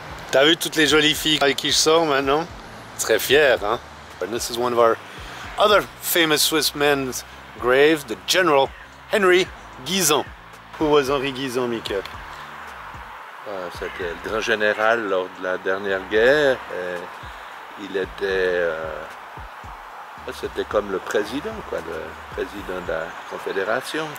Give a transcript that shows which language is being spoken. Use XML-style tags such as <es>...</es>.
<fr>T'as vu toutes les jolies filles avec qui je sors maintenant? Très fier, hein?</fr> <en>And this is one of our other famous Swiss men's graves, the General Henri Guizon. Who was Henri Guizon, Mickey?</en> <fr>C'était le grand général lors de la dernière guerre. Il était... c'était comme le président, quoi, le président de la Confédération.</fr>